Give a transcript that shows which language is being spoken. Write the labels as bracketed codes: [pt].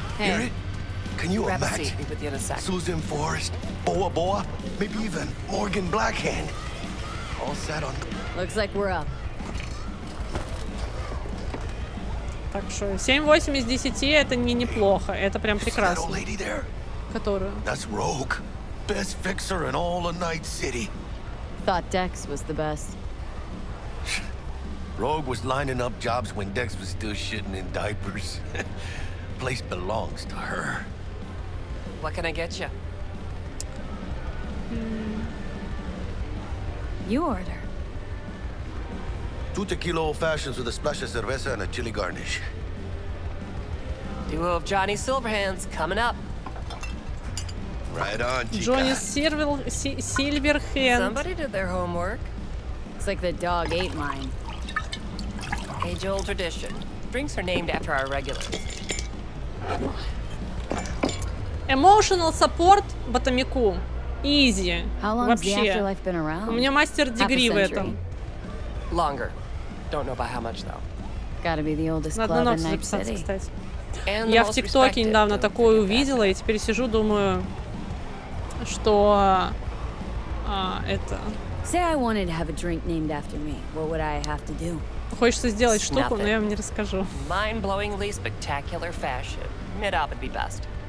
[en] Can you imagine? Susan Forrest, Boa Boa, maybe even Morgan Blackhand. All set on. Looks like we're up. [ru] Так что 7-8 из 10 это не неплохо, это прям прекрасно. Которую? [en] That's Rogue, best fixer in all of Night City. Thought Dex was the best. Rogue was lining up jobs when Dex was still shitting in diapers. Place belongs to her. What can I get you? You order. Two tequila old fashions with a splash of cerveza and a chili garnish. Duo of Johnny Silverhands coming up. Right on, Chica. Johnny Silverhand. Somebody did their homework. Looks like the dog ate mine. Age-old tradition. Drinks are named after our regulars. Emotional support [ru] Батамику. [en] Easy. [ru] Вообще. У меня мастер дегри в этом. [en] Longer. Don't know by how much though. Gotta be the oldest club in Night City. [ru] Кстати. Я в ТикТоке недавно такое увидела, и теперь сижу, думаю, что это... [en] Say I wanted to have a drink named after me. What would I have to do? [ru] Хочется сделать штуку, но я вам не расскажу. [en] Mind-blowingly spectacular fashion. Mid-op would be best.